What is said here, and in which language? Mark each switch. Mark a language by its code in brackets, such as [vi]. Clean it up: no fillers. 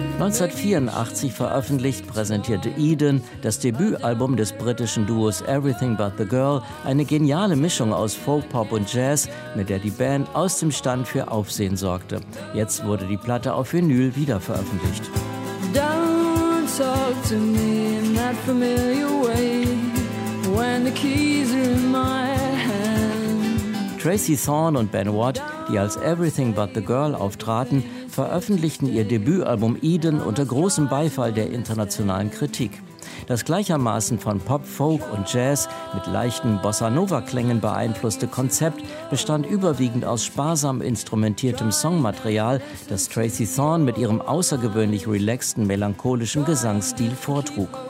[de] Seit 1984 veröffentlicht, präsentierte Eden, das Debütalbum des britischen Duos Everything But The Girl, eine geniale Mischung aus Folk, Pop und Jazz, mit der die Band aus dem Stand für Aufsehen sorgte. Jetzt wurde die Platte auf Vinyl wiederveröffentlicht. [en] Don't talk to me in that familiar way, when the keys are in my hand. [de] Tracy Thorn und Ben Watt, die als Everything But The Girl auftraten, veröffentlichten ihr Debütalbum Eden unter großem Beifall der internationalen Kritik. Das gleichermaßen von Pop, Folk und Jazz mit leichten Bossa-Nova-Klängen beeinflusste Konzept bestand überwiegend aus sparsam instrumentiertem Songmaterial, das Tracy Thorn mit ihrem außergewöhnlich relaxten, melancholischen Gesangsstil vortrug.